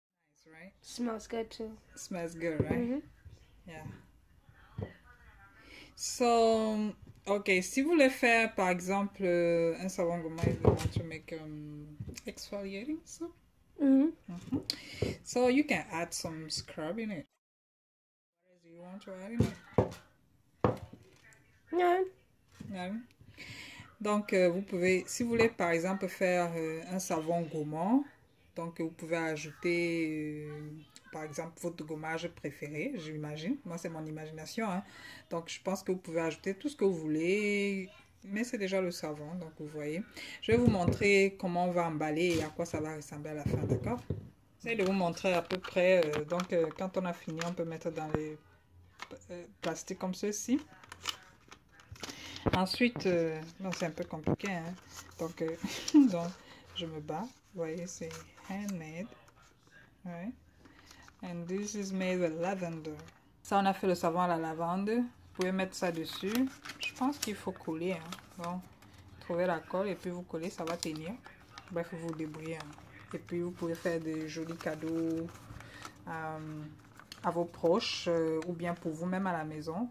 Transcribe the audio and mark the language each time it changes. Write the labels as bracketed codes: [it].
[en] Nice, right? Smells good, too. It smells good, right? Mm-hmm. Yeah. So... [fr] Ok, si vous voulez faire par exemple un savon gourmand, [en] you want to make exfoliating soap. Mm-hmm. So you can add some scrub in it. What do you want to add in it? None. None. [fr] Donc vous pouvez, si vous voulez par exemple faire un savon gourmand, donc vous pouvez ajouter par exemple votre gommage préféré, j'imagine, moi c'est mon imagination, hein. Donc je pense que vous pouvez ajouter tout ce que vous voulez, mais c'est déjà le savon, donc vous voyez, je vais vous montrer comment on va emballer et à quoi ça va ressembler à la fin, d'accord. J'essaie de vous montrer à peu près, donc quand on a fini on peut mettre dans les plastiques comme ceci. Ensuite non, c'est un peu compliqué, hein. Donc donc je me bats, vous voyez, c'est handmade, ouais. [en] And this is made with lavender. [fr] Ça, on a fait le savon à la lavande. Vous pouvez mettre ça dessus. Je pense qu'il faut coller. Hein. Bon, trouver la colle et puis vous coller, ça va tenir. Bref, vous débrouillez. Hein. Et puis, vous pouvez faire des jolis cadeaux à vos proches ou bien pour vous-même à la maison.